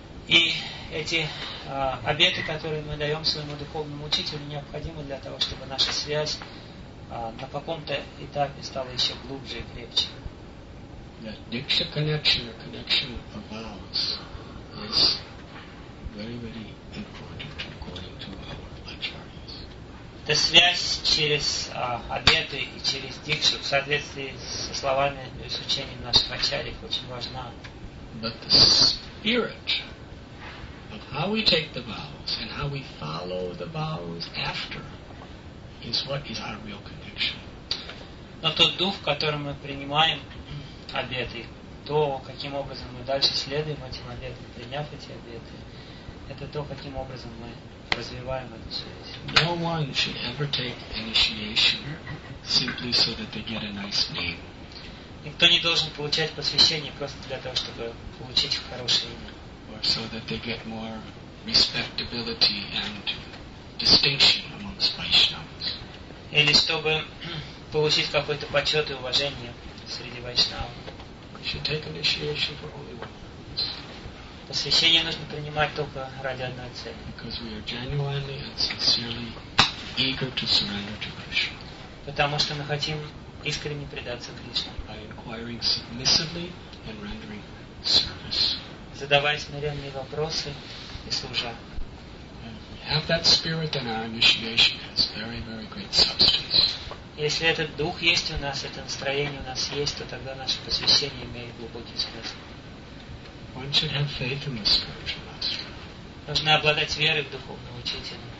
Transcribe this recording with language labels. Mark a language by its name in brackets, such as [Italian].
[Russian] И эти обеты, которые мы даем своему духовному учителю, необходимы для того, чтобы наша связь на каком-то этапе стала еще глубже и крепче. [English] That diksha connection, or connection of vows, is very, very important according to our acharyas. [Russian] Эта связь через обеты и через дикшу в соответствии со словами и с учением наших ачарьев очень важна. [English] But the spirit of how we take the vows and how we follow the vows after is what is our real connection. [Russian] Но тот дух, в котором мы принимаем обеты, то, каким образом мы дальше следуем этим обетам, приняв эти обеты, это то, каким образом мы развиваем эту связь. [English] No one should ever take initiation simply so that they get a nice name. [Russian] Никто не должен получать посвящение просто для того, чтобы получить хорошее имя. [English] Or so that they get more respectability and distinction amongst Vaishnavas. [Russian] Или чтобы получить какой-то почет и уважение среди Вайшнава. [English] You should take initiation for only one. [Russian] Посвящение нужно принимать только ради одной цели. [English] Because we are genuinely and sincerely eager to surrender to Krishna. [Russian] Потому что мы хотим искренне предаться Кришне. [English] By inquiring submissively and rendering service. [Russian] Задавая смиренные вопросы и служа. [English] Have that spirit, then our initiation has very, very great substance. [Russian] Если этот дух есть у нас, это настроение у нас есть, то тогда наше посвящение имеет глубокий смысл. [English] One should have faith in the spiritual master. [Russian] Нужно обладать верой в духовного учителя.